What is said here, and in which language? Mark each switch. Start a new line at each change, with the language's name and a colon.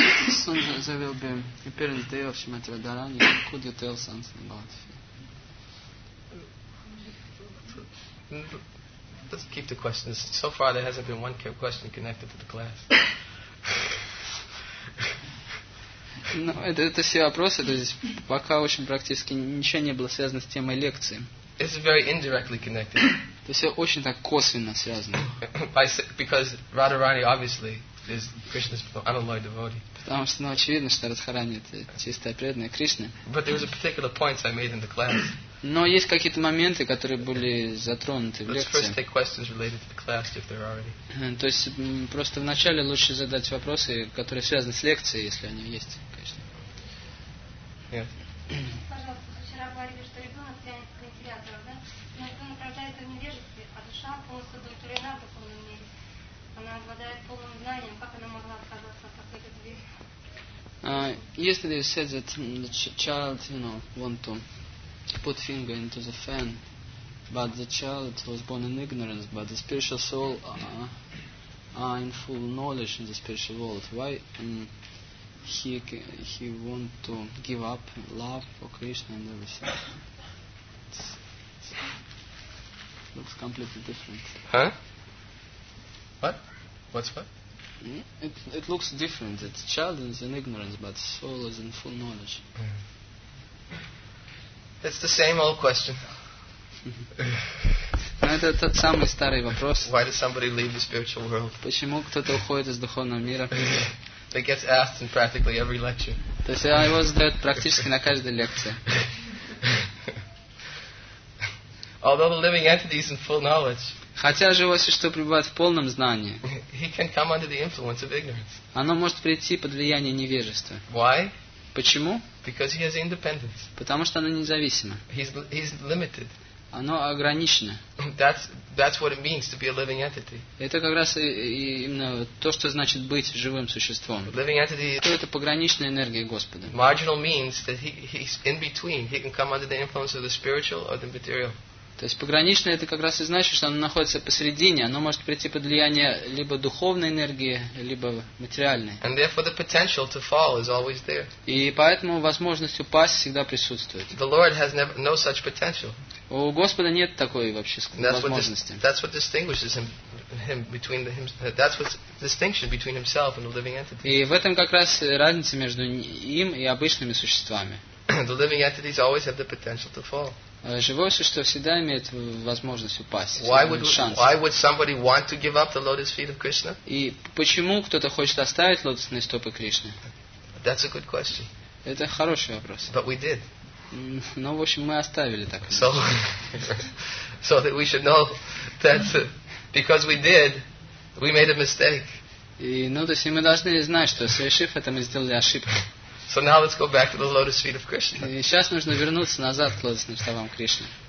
English: Soon there will be the appearance day of Srimati Radharani. Could you tell something about it? let's keep the questions. So far, there hasn't been one question connected to the class.
Russian: Ну, это все вопросы, то есть пока очень практически ничего не было связано с темой лекции.
English: It's very indirectly connected.
Russian: То есть очень так косвенно связано.
English: Because Radharani obviously is Krishna's unalloyed devotee.
Russian: Потому что, ну, очевидно, что Радхарани — это чистая преданная Кришна.
English: But there was a particular point I made in the class.
Russian: Но есть какие-то моменты, которые были затронуты в лекции.
English: Let's first take questions related to the class, if there are any.
Russian: То есть просто вначале лучше задать вопросы, которые связаны с лекцией, если они есть, конечно.
English: Yes.
Russian: Пожалуйста, вчера говорили, что ребенок тянет к вентилятору, да? Но он рождается в невежестве, а душа полностью удовлетворена в духовном мире. Она обладает полным знанием. Как она могла отказаться от такой любви?
English: Yesterday you said that the child, you know, want to put finger into the fan, but the child was born in ignorance, but the spiritual soul are in full knowledge in the spiritual world. Why he want to give up love for Krishna and everything? It looks completely different. Huh? What? What's what? It looks different. The child is in ignorance, but the soul is in full knowledge. Yeah. It's the same old question.
Russian: Это тот самый старый вопрос.
English: Why does somebody leave the spiritual world?
Russian: Почему кто-то уходит из духовного мира?
English: It gets asked in practically every lecture.
Russian: То есть его задают практически на каждой лекции.
English: Although living entities in full knowledge.
Russian: Хотя живое существо пребывает в полном знании.
English: He can come under the influence of ignorance.
Russian: Оно может прийти под влияние невежества.
English: Why?
Russian: Почему?
English: Because he has independence.
Russian: Потому что оно независимо.
English: He's limited.
Russian: Оно ограничено.
English: That's what it means to be a living entity.
Russian: Это как раз именно то, что значит быть живым существом.
English: Living entity.
Russian: Что это пограничная энергия Господа.
English: Marginal means that he's in between. He can come under the influence of the spiritual or the material.
Russian: То есть пограничное — это как раз и значит, что оно находится посередине. Оно может прийти под влияние либо духовной энергии, либо материальной.
English: And therefore the potential to fall is always there.
Russian: И поэтому возможность упасть всегда присутствует.
English: The Lord has never, no such potential.
Russian: У Господа нет такой вообще возможности.
English: That's what distinguishes him between him. That's what's the distinction between himself and the living entity.
Russian: И в этом как раз разница между им и обычными существами.
English: The living entities always have the potential to fall.
Russian: Живое существо всегда имеет возможность упасть.
English: Why would somebody want to give up the lotus feet of Krishna?
Russian: И почему кто-то хочет оставить лотосные стопы Кришны?
English: That's a good question.
Russian: Это хороший вопрос.
English: But we did.
Russian: Ну, в общем, мы оставили так.
English: So that we should know that because we did, we made a mistake.
Russian: И, ну, то есть мы должны знать, что совершив это, мы сделали ошибку.
English: So now let's go back to the lotus feet of Krishna.
Russian: И сейчас нужно вернуться назад к лотосным стопам Кришны.